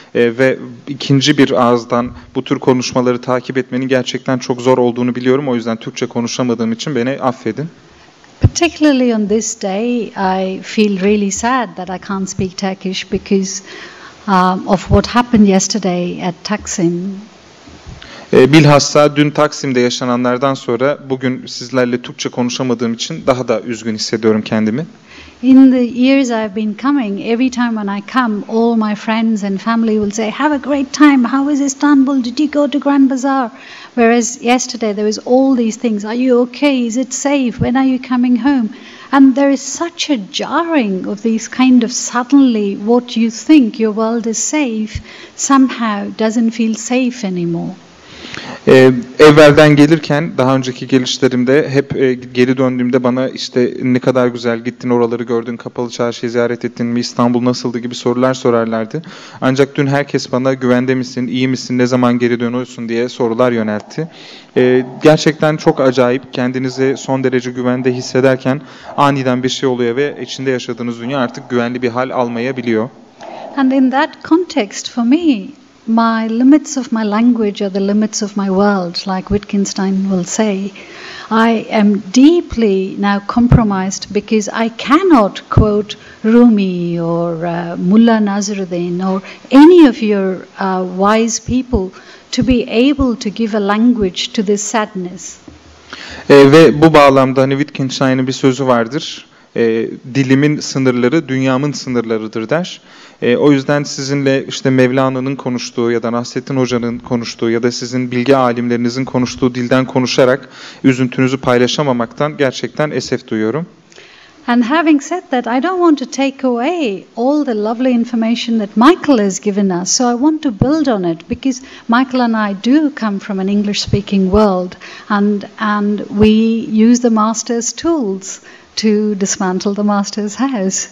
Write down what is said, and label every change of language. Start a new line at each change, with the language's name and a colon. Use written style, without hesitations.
Turkish: Ve ikinci bir ağızdan bu tür konuşmaları takip etmenin gerçekten çok zor olduğunu biliyorum. O yüzden Türkçe konuşamadığım için beni affedin.
English: Particularly on this day, I feel really sad that I can't speak Turkish because of what happened yesterday at Taksim.
Turkish: Bilhassa dün Taksim'de yaşananlardan sonra bugün sizlerle Türkçe konuşamadığım için daha da üzgün hissediyorum kendimi.
English: In the years I've been coming, every time when I come, all my friends and family will say, "Have a great time. How was Istanbul? Did you go to Grand Bazaar?" Whereas yesterday there was all these things. Are you okay? Is it safe? When are you coming home? And there is such a jarring of these kind of suddenly what you think your world is safe somehow doesn't feel safe anymore.
Turkish: Evvelden gelirken, daha önceki gelişlerimde hep geri döndüğümde bana işte ne kadar güzel gittin, oraları gördün, Kapalı Çarşı'yı ziyaret ettin mi, İstanbul nasıldı gibi sorular sorarlardı. Ancak dün herkes bana güvende misin, iyi misin, ne zaman geri dönüyorsun diye sorular yöneltti. Gerçekten çok acayip, kendinizi son derece güvende hissederken aniden bir şey oluyor ve içinde yaşadığınız dünya artık güvenli bir hal almayabiliyor.
English: And in that context for me, my limits of my language are the limits of my world, like Wittgenstein will say. I am deeply now compromised because I cannot quote Rumi or Mullah Nasruddin or any of your wise people to be able to give a language to this sadness.
Turkish: Ve bu bağlamda hani Wittgenstein'in bir sözü vardır. Dilimin sınırları dünyamın sınırlarıdır der. O yüzden sizinle işte Mevlana'nın konuştuğu ya da Nasrettin Hoca'nın konuştuğu ya da sizin bilgi alimlerinizin konuştuğu dilden konuşarak üzüntünüzü paylaşamamaktan gerçekten esef duyuyorum.
English: And having said that, I don't want to take away all the lovely information that Michael has given us. So I want to build on it because Michael and I do come from an English-speaking world and we use the master's tools to dismantle the master's house.